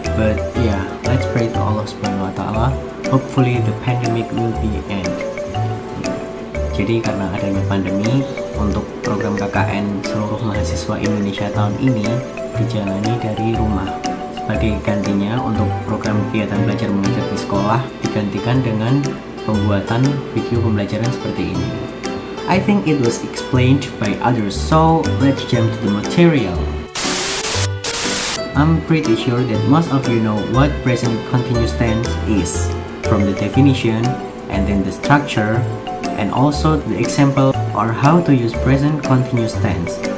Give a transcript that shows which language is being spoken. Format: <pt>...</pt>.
<en>But yeah, let's pray to Allah Subhanahu Wa Taala. Hopefully, the pandemic will be end.</en> <id>Jadi karena adanya pandemi, untuk program KKN seluruh mahasiswa Indonesia tahun ini dijalani dari rumah. Sebagai gantinya, untuk program kegiatan belajar mengajar di sekolah digantikan dengan pembuatan video pembelajaran seperti ini.</id> <en>I think it was explained by others, so let's jump to the material. I'm pretty sure that most of you know what present continuous tense is, from the definition and then the structure, and also the example or how to use present continuous tense.</en>